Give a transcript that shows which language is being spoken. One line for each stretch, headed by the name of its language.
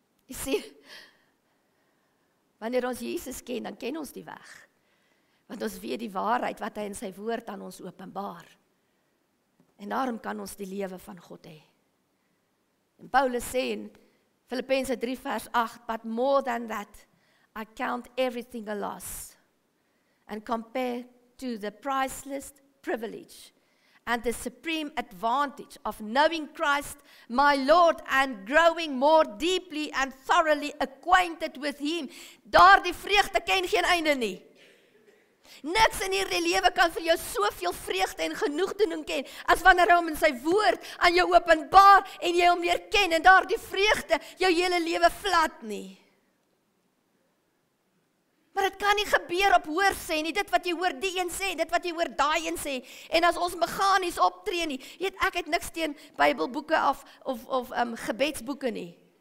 Afrikaans: Jy sien, wanneer ons Jesus ken, dan ken ons die weg. Want ons weet die waarheid wat hy in sy woord aan ons openbaar. En daarom kan ons die lewe van God hê. En Paulus sê in Filippense 3 vers 8,
English: but more than that, I count everything a loss and compare to the priceless privilege and the supreme advantage of knowing Christ my Lord and growing more deeply and thoroughly acquainted with Him.
Afrikaans: Daardie vreugde ken geen einde nie. Niks in hierdie lewe kan vir jou soveel vreugde en genoegdoening ken as wanneer hy hom in sy woord aan jou openbaar en jy hom leer ken en daardie vreugde jou hele lewe vlat nie. Maar dit kan nie gebeur op hoor sê nie, dit wat jy hoor die een sê, dit wat jy hoor daai een sê, en as ons meganies optree nie, weet ek het niks teen Bybelboeke af of gebedsboeke nie.